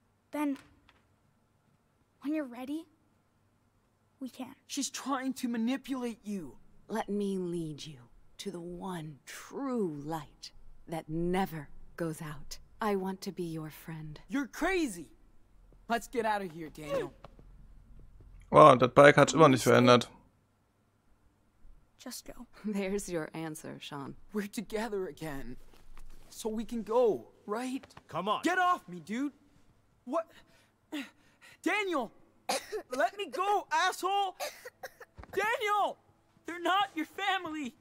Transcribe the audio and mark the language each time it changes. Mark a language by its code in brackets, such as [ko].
[en] Then, when you're ready, we can. She's trying to manipulate you. Let me lead you to the one true light that never goes out. I want to be your friend. You're crazy. Let's get out of here, Daniel. [de] Wow, das Bike hat's immer nicht verändert. [en] Just go. There's your answer, Sean. We're together again. So we can go, right? Come on. Get off me, dude. What? Daniel! Let me go, asshole! Daniel! They're not your family!